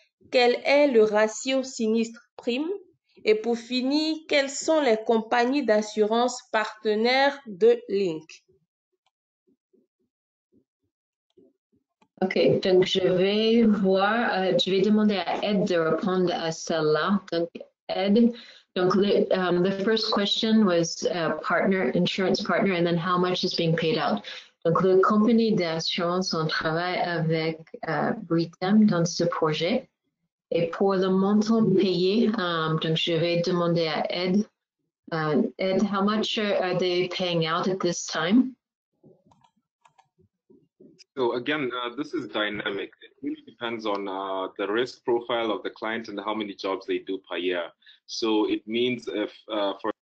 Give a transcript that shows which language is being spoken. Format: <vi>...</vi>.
<fr>Quel est le ratio sinistre-prime? Et pour finir, quelles sont les compagnies d'assurance partenaires de Link? OK, donc je vais voir, je vais demander à Ed de répondre à celle-là. Donc Ed, donc</fr> <en>the first question was partner, insurance partner, and then how much is being paid out.</en> <fr>Donc les compagnies d'assurance, on travaille avec Britam dans ce projet. Et pour le montant payé, donc je vais demander à Ed.</fr> <en>Ed, how much are they paying out at this time? So again, this is dynamic. It really depends on the risk profile of the client and how many jobs they do per year. So it means if for</en>